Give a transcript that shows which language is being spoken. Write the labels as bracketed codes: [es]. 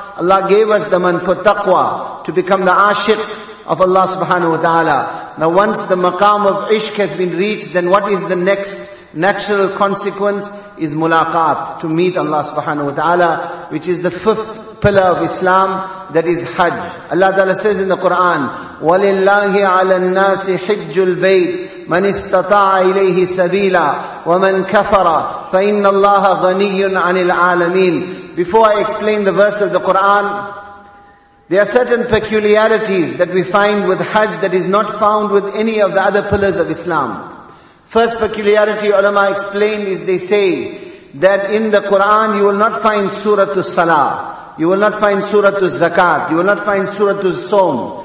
[en] Allah gave us the month for taqwa, to become the ashiq of Allah subhanahu wa ta'ala. Now once the maqam of ishq has been reached, then what is the next natural consequence? Is mulaqat, to meet Allah subhanahu wa ta'ala, which is the fifth pillar of Islam, that is Hajj. Allah Ta'ala says in the Quran, [ar] وَلِلَّهِ عَلَى النَّاسِ حِجُّ الْبَيْتِ مَنْ اسْتَطَاعَ إِلَيْهِ سَبِيلًا وَمَنْ كَفَرَ فَإِنَّ اللَّهَ غَنِيٌّ عَنِ الْعَالَمِينَ. [en] Before I explain the verse of the Quran, there are certain peculiarities that we find with Hajj that is not found with any of the other pillars of Islam. First peculiarity ulama explained is they say that in the Quran you will not find Surah Salah, you will not find Surah Zakat, you will not find Surah Sawm.